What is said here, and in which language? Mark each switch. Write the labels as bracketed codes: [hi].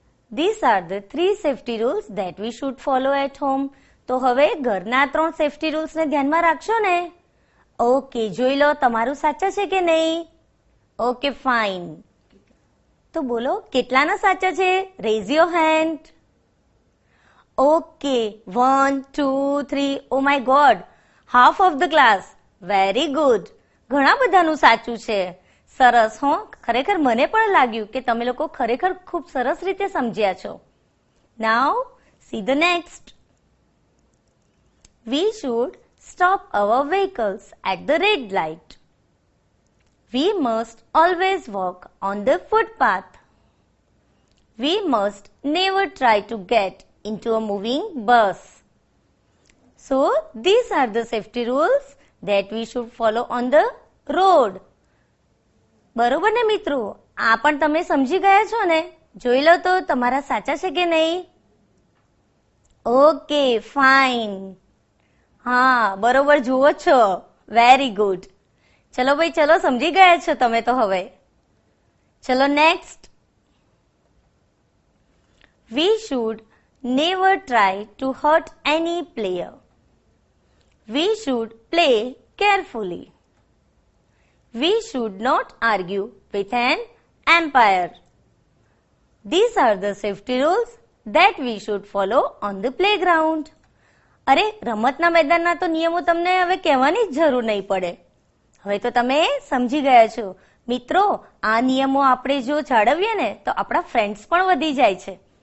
[en] These are the three safety rules that we should follow at home. [gu] તો હવે ઘરના ત્રણ સેફ્ટી રૂલ્સ ને ધ્યાનમાં રાખશો ને? ઓકે, જોઈ લો તમારું સાચા છે કે નહીં. [en] Okay, fine. [gu] તો બોલો કેટલાના સાચા છે? [en] Raise your hand. [gu] Okay, 1, 2, 3. [en] Oh my God, half of the class. Very good, [gu] ઘણા બધાનું સાચું છે. સરસ. હો, ખરેખર મને પણ લાગ્યું કે તમે લોકો ખરેખર ખૂબ સરસ રીતે સમજ્યા છો. [en] Now see the next. We should stop our vehicles at the red light. We must always walk on the footpath. We must never try to get into a moving bus. So these are the safety rules that we should follow on the road. [gu] બરોબર ને મિત્રો? આ પણ તમે સમજી ગયા છો ને? જોઈ લો તો તમારા સાચા છે કે નહીં. [en] Okay, fine. [gu] હા, બરોબર જુઓ છો. [en] Very good. [gu] ચલો ભાઈ, ચલો, સમજી ગયા છો તમે તો હવે. ચલો next. [en] We should never try to hurt any player. We should play carefully. we should not argue with an umpire. These are the safety rules that we should follow on the playground. [gu] અરે રમતના મેદાનના તો નિયમો તમને હવે કહેવાની જ જરૂર નહીં પડે. હવે તો તમે સમજી ગયા છો. મિત્રો, આ નિયમો આપણે જો જાળવીએ ને તો આપણા ફ્રેન્ડ્સ પણ વધી જાય છે.